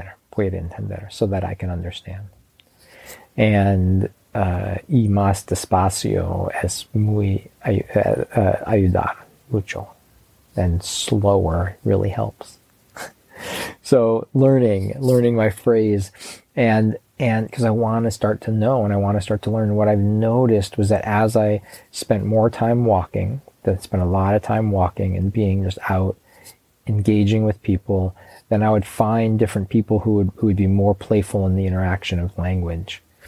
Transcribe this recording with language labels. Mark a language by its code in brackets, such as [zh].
[es] Puede entender, [en] so that I can understand. And [es] y más despacio es muy ayudar mucho. [en] And slower really helps. So learning my phrase, and because I want to start to know, and I want to start to learn. What I've noticed was that as I spent more time walking, and being just out engaging with people, then I would find different people who would be more playful in the interaction of language.